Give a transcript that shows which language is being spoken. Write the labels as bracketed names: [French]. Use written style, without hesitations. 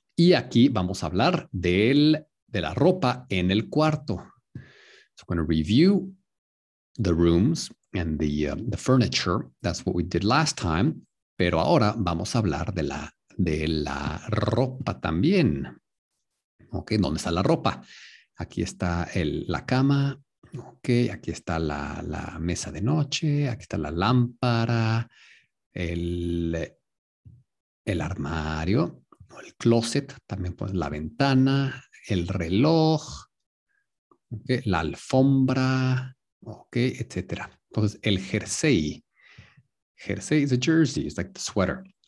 [Spanish] Y aquí vamos a hablar de la ropa en el cuarto. [English] So I'm going to review the rooms and the furniture. That's what we did last time. [Spanish] Pero ahora vamos a hablar de la ropa también. Ok, ¿dónde está la ropa? Aquí está la cama, okay. Aquí está la mesa de noche, aquí está la lámpara, el armario, el closet, también pues la ventana, el reloj, okay, la alfombra, okay, etc. Entonces, el jersey. [English] Jersey is a jersey, it's like the sweater.